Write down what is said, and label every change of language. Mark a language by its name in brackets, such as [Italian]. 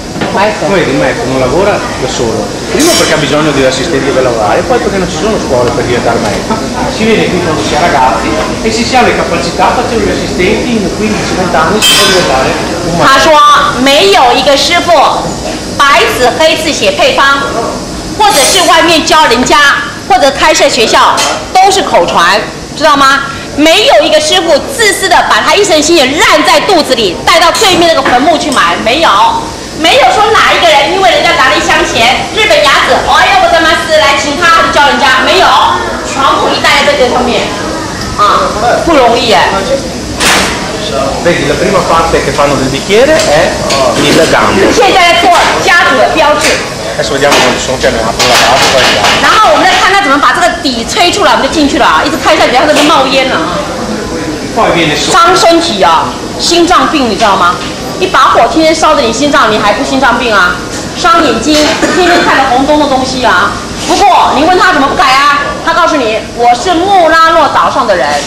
[Italian] Come vedi, Mike, non lavora da solo. Primo perché ha bisogno di un assistente per lavorare, e poi perché non ci sono scuole per diventare Mike. Si vede qui quando si è ragazzi e si ha le capacità di fare gli assistenti in 15-20 anni si può diventare un [Chinese] Mike. 他说没有一个师傅白纸黑字写配方，或者是外面教人家，或者开设学校，都是口传，知道吗？没有一个师傅自私的把他一身心血烂在肚子里，带到对面那个坟墓去买，没有。没有说哪一个人因为人家拿了一箱钱，日本雅子，哎呀，我他妈是来请他教人家，没有，全部一代在这上面，啊，不容易哎。 [Italian] Vedi, la prima parte che fanno del bicchiere è il gambo. [Chinese] 现在在做家族的标志。 [Italian] Adesso vediamo come sono chiamato la parte poi là。 [Chinese] 然后我们再看他怎么把这个底吹出来，我们就进去了，一直看一下底下在那冒烟呢。外边的手。伤身体啊，心脏病，你知道吗？一把火天天烧着你心脏，你还不心脏病啊？伤眼睛，天天看着红灯的东西啊。不过你问他怎么不改啊，他告诉你，我是穆拉诺岛上的人。